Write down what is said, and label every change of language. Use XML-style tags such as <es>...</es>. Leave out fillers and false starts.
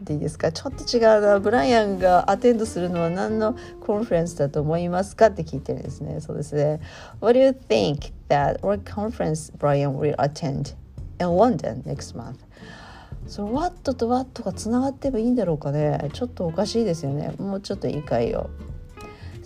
<ja>いいですか、ちょっと違うな。ブライアンがアテンドするのは何のコンフェンスだと思いますかって聞いてるんですね。そうですね。</ja> <en>What do you think that what conference Brian will attend in London next month? So what</en> <ja>と what がつながってもいいんだろうかね。ちょっとおかしいですよね。もうちょっと言い換えよう。</ja>